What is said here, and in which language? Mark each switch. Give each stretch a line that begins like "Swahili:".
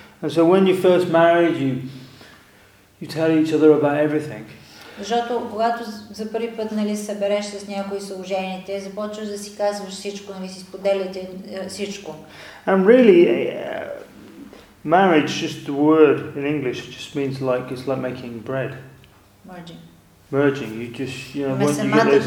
English: And so when you first married, you tell each other about everything.
Bulgarian: Защото когато за първи път, нали, събереш с някои съжените, започваш да си казваш всичко, нали, си споделяте всичко.
English: And really, marriage, just the word in English, just means like it's like making bread. Merging. You just, you know, when you get those ingredients.